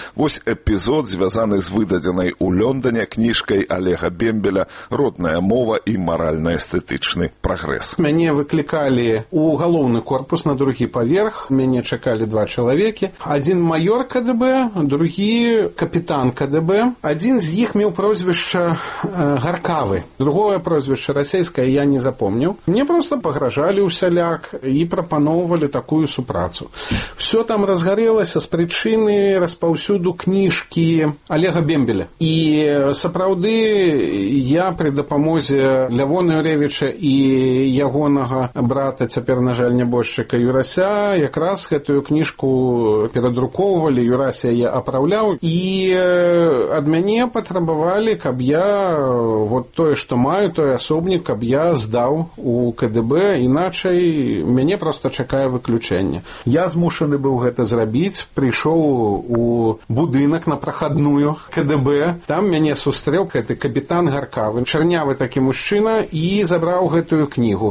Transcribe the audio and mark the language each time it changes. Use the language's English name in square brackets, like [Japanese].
[Belarusian] Вось эпізод, звязаны з выдадзенай у Лондоне кніжкай Алега Бембеля «Родная мова і маральна-эстэтычны прагрэс». Мяне выклікалі ў галоўны корпус на другі паверх. Мяне чакалі два чалавекі. Адзін майор КДБ, другі капітан КДБ. Адзін з іх меў прозвішча Гаркавы. [Ukrainian] Другое прозвище російське я не запомнив. Мені просто погрожали усяляк і пропонували таку супрацу. Все там розгорілося з причини розповсюду книжки Олега Бембеля. І саправди я при допомозі Лявона Юрєвича і ягоного брата, тепер, на жаль, небожчика Юрася, якраз цю книжку передруковували, Юрася я оправляв. [Belarusian] І ад мене потребували, каб я вот тое, што маю, той асобнік, каб я здаў у КДБ, іначай мяне проста чакае выключэнне. Я змушаны быў гэта зрабіць, прыйшоў у будынак на прахадную КДБ, там мяне сустрэў гэты капітан Гаркавы, чарнявы такі мужчына, і забраў гэтую кнігу.